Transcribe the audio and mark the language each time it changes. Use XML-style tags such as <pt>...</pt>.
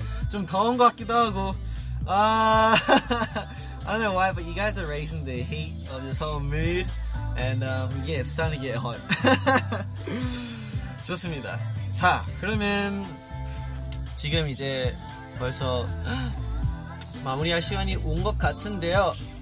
<ko>좀 더운 것 같기도 하고 아.</ko> <en>I don't know why, but you guys are raising the heat of this whole mood. And yeah, it's starting to get hot.</en> <ko>좋습니다. 자, 그러면 지금 이제 벌써 마무리할 시간이 온 것 같은데요.</ko>